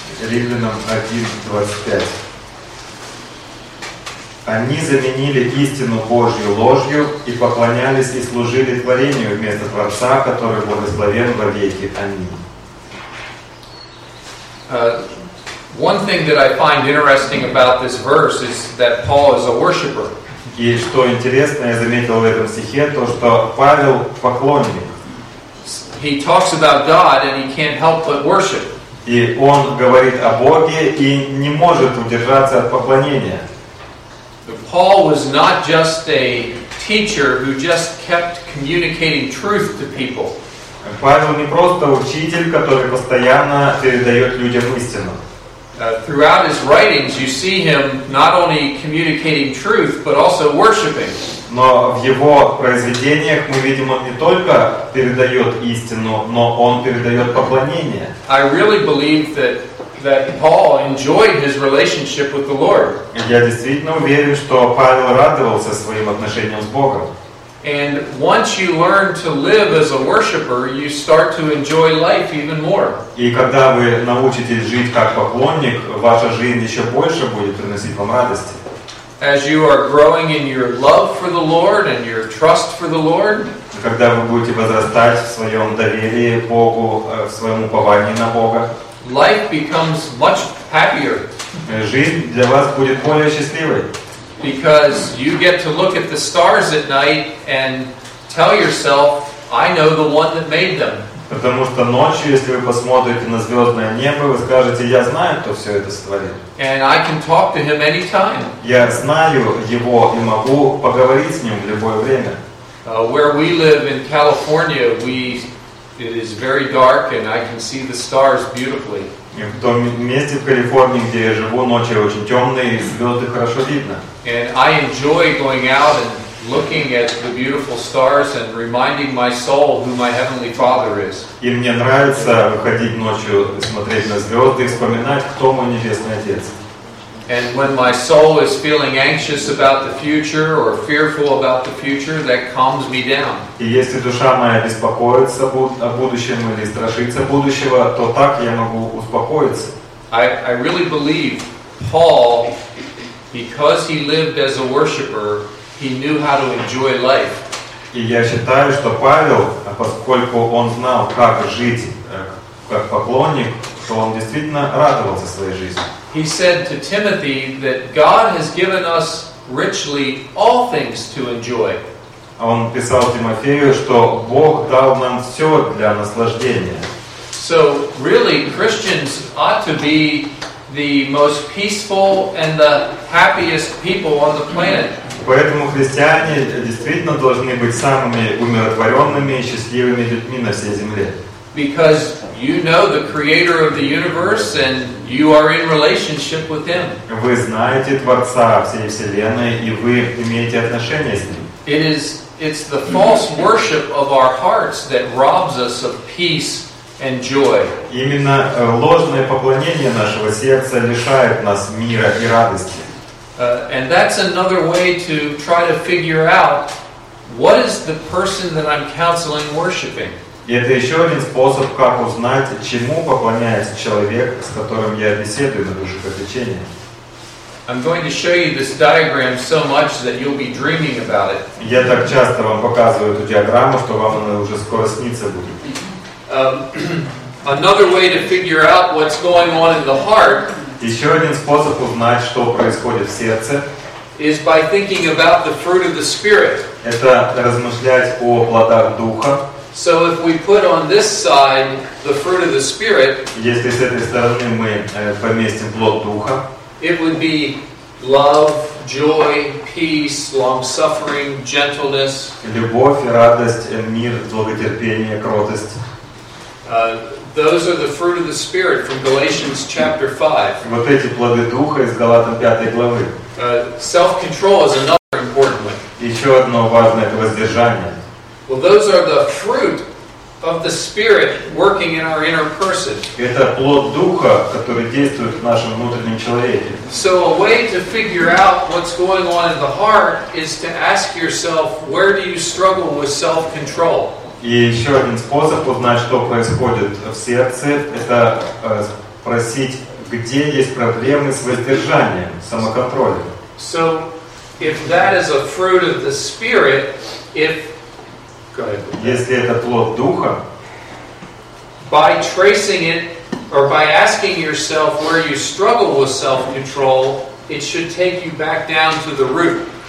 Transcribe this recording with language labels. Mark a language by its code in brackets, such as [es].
[ru] Римлянам 1:25. Они заменили истину Божью ложью и поклонялись и служили творению вместо Творца, который благословен во веки. Аминь. [en] One thing that I find interesting about this verse is that Paul is a worshipper. [ru] И что интересно, я заметил в этом стихе, то что Павел поклонник. [en] He talks about God and he can't help but worship. [ru] И он говорит о Боге и не может удержаться от поклонения. [en] Paul was not just a teacher who just kept communicating truth to people. [ru] Павел не просто учитель, который постоянно передает людям истину. [en] Throughout his writings, you see him not only communicating truth, but also worshiping. [ru] Но в его произведениях мы видим, он не только передает истину, но он передает поклонение. [en] I really believe that Paul enjoyed his relationship with the Lord. [ru] Я действительно уверен, что Павел радовался своим отношениям с Богом. [en] And once you learn to live as a worshipper, you start to enjoy life even more. [ru] И когда вы научитесь жить как поклонник, ваша жизнь еще больше будет приносить вам радости. [en] As you are growing in your love for the Lord and your trust for the Lord, [ru] когда вы будете возрастать в своем доверии Богу, в своем уповании на Бога, [en] life becomes much happier. [ru] Жизнь для вас будет более счастливой. [en] Because you get to look at the stars at night and tell yourself, I know the one that made them. [ru] Потому что ночью, если вы посмотрите на звездное небо, вы скажете, я знаю, кто все это сотворил. [en] And I can talk to him anytime. [ru] Я знаю его и могу поговорить с ним в любое время. [en] Where we live in California, it is very dark and I can see the stars beautifully. [ru] В том месте в Калифорнии, где я живу, ночи очень темные, и звезды хорошо видно. [en] And I enjoy going out and looking at the beautiful stars and reminding my soul who my heavenly Father is. [ru] И мне нравится выходить ночью, смотреть на звезды и вспоминать, кто мой небесный отец. [en] And when my soul is feeling anxious about the future or fearful about the future, that calms me down. [ru] И если душа моя беспокоится о будущем или страшится будущего, то так я могу успокоиться. [en] I really believe Paul, because he lived as a worshipper, he knew how to enjoy life. [ru] И я считаю, что Павел, поскольку он знал, как жить как поклонник, то он действительно радовался своей жизни. [en] He said to Timothy that God has given us richly all things to enjoy. [ru] Он писал Тимофею, что Бог дал нам все для наслаждения. [en] So really, Christians ought to be the most peaceful and the happiest people on the planet. [ru] Поэтому христиане действительно должны быть самыми умиротворенными и счастливыми людьми на всей земле. [en] Because you know the creator of the universe and you are in relationship with him. [ru] Вы знаете Творца всей вселенной и вы имеете отношение с ним. [en] It's the false worship of our hearts that robs us of peace and joy. [ru] Именно ложное поклонение нашего сердца лишает нас мира и радости. [en] And that's another way to try to figure out what is the person that I'm counseling worshiping. [ru] И это еще один способ, как узнать, чему поклоняется человек, с которым я беседую на душепопечении. [en] I'm going to show you this diagram so much that you'll be dreaming about it. [ru] Я так часто вам показываю эту диаграмму, что вам она уже скоро снится будет. [en] Another way to figure out what's going on in the heart. [ru] Еще один способ узнать, что происходит в сердце. [en] Is by thinking about the fruit of the Spirit. [ru] Это размышлять о плодах Духа. [en] So if we put on this side the fruit of the Spirit, [ru] если с этой стороны мы поместим плод Духа, [en] it would be love, joy, peace, long-suffering, gentleness. [ru] Любовь, радость, мир, долготерпение, кротость. [en] Those are the fruit of the Spirit from Galatians chapter 5. [ru] Вот эти плоды духа из Галатам 5 главы. [en] Self-control is another important one. [ru] Еще одно важное — это воздержание. [en] Well, those are the fruit of the Spirit working in our inner person. [ru] Это плод духа, который действует в нашем внутреннем человеке. [en] So a way to figure out what's going on in the heart is to ask yourself, where do you struggle with self-control? [ru] И еще один способ узнать, что происходит в сердце, это спросить, где есть проблемы с воздержанием, самоконтролем. [en] So, if that is a fruit of the Spirit, if... Go ahead. [ru] Если это плод Духа... [en] By tracing it, or by asking yourself where you struggle with self-control, it should take you back down to the root.